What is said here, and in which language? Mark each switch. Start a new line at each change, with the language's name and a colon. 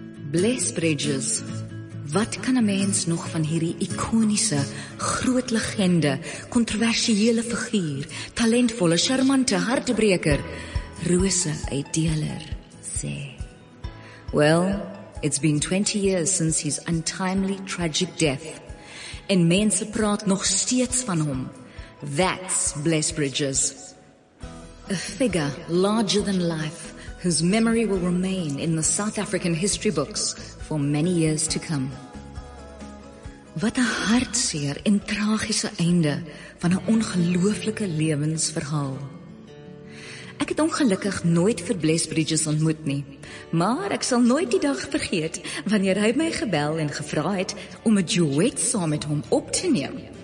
Afrikaans: Bless Bridges, wat kan een mens nog van hierdie iconische, groot legende, controversiële figuur, talentvolle, charmante hartebreker, rose uitdeler, sê?
English: Well, it's been 20 years since his untimely tragic death,
Afrikaans: en mense praat nog steeds van hom.
English: That's Bless Bridges. A figure larger than life, whose memory will remain in the South African history books for many years to come.
Afrikaans: Wat 'n hartseer en tragiese einde van 'n ongelooflike lewensverhaal. Ek het ongelukkig nooit vir Bless Bridges ontmoet nie, maar ek sal nooit die dag vergeet wanneer hy my gebel en gevra het om 'n duet saam met hom op te neem.